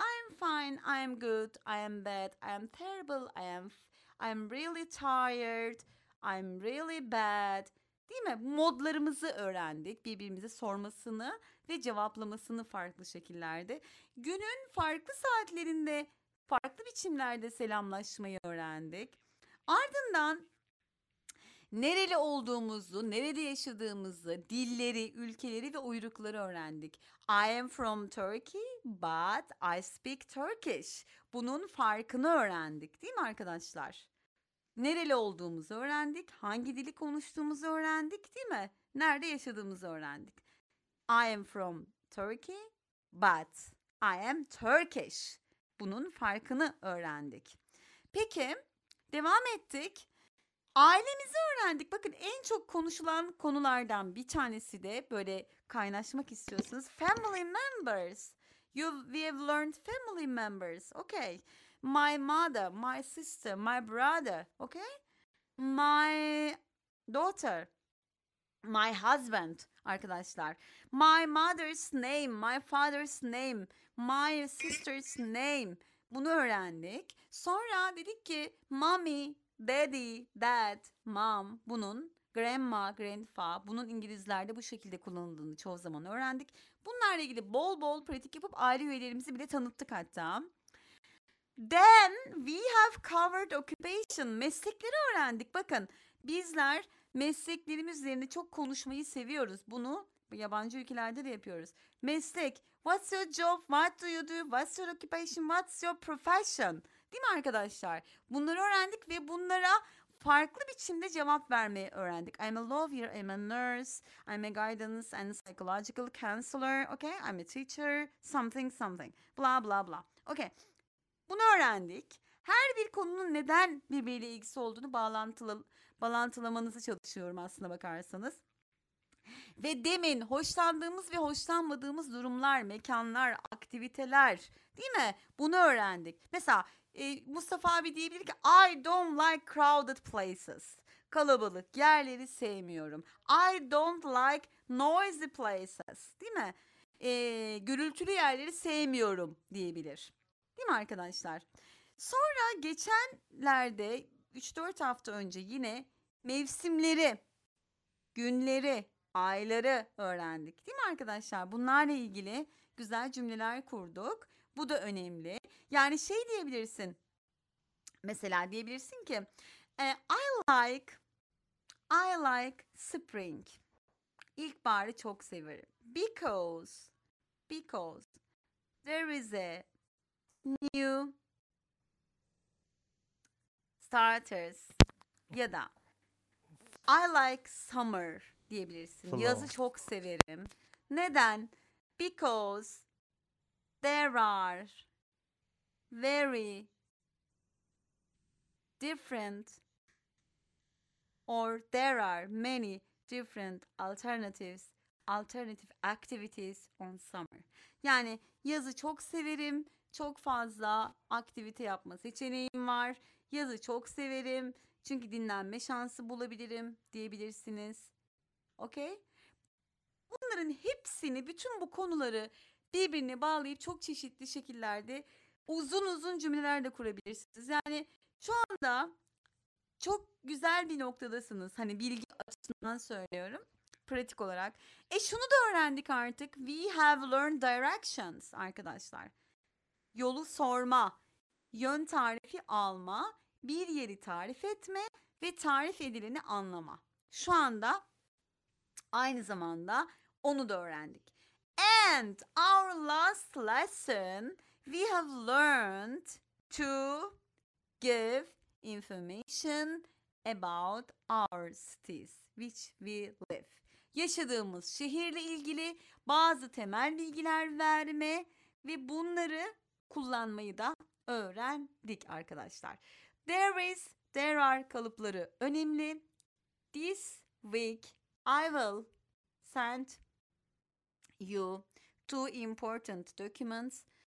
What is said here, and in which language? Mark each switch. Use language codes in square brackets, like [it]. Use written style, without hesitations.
[en] I'm fine, I'm good, I'm bad, I'm terrible, I'm really tired, I'm really bad. [tr] Değil mi? Modlarımızı öğrendik. Birbirimize sormasını ve cevaplamasını farklı şekillerde. Günün farklı saatlerinde farklı biçimlerde selamlaşmayı öğrendik. Ardından nereli olduğumuzu, nerede yaşadığımızı, dilleri, ülkeleri ve uyrukları öğrendik. [en] I am from Turkey, but I speak Turkish. [tr] Bunun farkını öğrendik, değil mi arkadaşlar? Nereli olduğumuzu öğrendik, hangi dili konuştuğumuzu öğrendik, değil mi? Nerede yaşadığımızı öğrendik. [en] I am from Turkey, but I am Turkish. [tr] Bunun farkını öğrendik. Peki, devam ettik. Ailemizi öğrendik. Bakın en çok konuşulan konulardan bir tanesi de böyle kaynaşmak istiyorsunuz. [en] Family members. We have learned family members. Okay. My mother, my sister, my brother. Okay. My daughter, my husband. Arkadaşlar. My mother's name, my father's name, my sister's name. [tr] Bunu öğrendik. Sonra dedik ki mommy, daddy, dad, mom, bunun grandma, grandpa, bunun İngilizlerde bu şekilde kullanıldığını çoğu zaman öğrendik. Bunlarla ilgili bol bol pratik yapıp aile üyelerimizi bile tanıttık hatta. [en] Then we have covered occupation, [tr] meslekleri öğrendik. Bakın bizler mesleklerimiz üzerine çok konuşmayı seviyoruz. Bunu yabancı ülkelerde de yapıyoruz. [en] Meslek, what's your job, what do you do, what's your occupation, what's your profession? [tr] Değil mi arkadaşlar? Bunları öğrendik ve bunlara farklı biçimde cevap vermeyi öğrendik. [en] I'm a lawyer, I'm a nurse, I'm a guidance and psychological counselor. Okay, I'm a teacher, something something. Blah blah blah. Okay, [tr] bunu öğrendik. Her bir konunun neden birbiriyle ilgisi olduğunu bağlantılamanızı çalışıyorum aslında bakarsanız. Ve demin hoşlandığımız ve hoşlanmadığımız durumlar, mekanlar, aktiviteler, değil mi? Bunu öğrendik. Mesela Mustafa abi diyebilir ki [en] I don't like crowded places. [tr] Kalabalık yerleri sevmiyorum. [en] I don't like noisy places. [tr] Değil mi? Gürültülü yerleri sevmiyorum diyebilir. Değil mi arkadaşlar? Sonra geçenlerde 3-4 hafta önce yine mevsimleri, günleri, ayları öğrendik. Değil mi arkadaşlar? Bunlarla ilgili güzel cümleler kurduk. Bu da önemli. Yani şey diyebilirsin. Mesela diyebilirsin ki [en] I like spring. [tr] İlkbaharı çok severim. [en] Because there is a new starters. [tr] Ya da [en] I like summer [tr] diyebilirsin. Flow. Yazı çok severim. Neden? [en] Because there are very different or there are many different alternatives, alternative activities on summer. [tr] Yani yazı çok severim. Çok fazla aktivite yapma seçeneğim var. Yazı çok severim. Çünkü dinlenme şansı bulabilirim diyebilirsiniz. Okay? Bunların hepsini, bütün bu konuları birbirine bağlayıp çok çeşitli şekillerde uzun uzun cümleler de kurabilirsiniz. Yani şu anda çok güzel bir noktadasınız. Hani bilgi açısından söylüyorum. Pratik olarak. Şunu da öğrendik artık. [en] We have learned directions [tr] arkadaşlar. Yolu sorma, yön tarifi alma, bir yeri tarif etme ve tarif edileni anlama. Şu anda aynı zamanda onu da öğrendik. [en] And our last lesson, we have learned to give information about our cities, which we live. [tr] Yaşadığımız şehirle ilgili bazı temel bilgiler verme ve bunları kullanmayı da öğrendik arkadaşlar. [en] There are [tr] kalıpları önemli. [en] This week I will send you two important documents.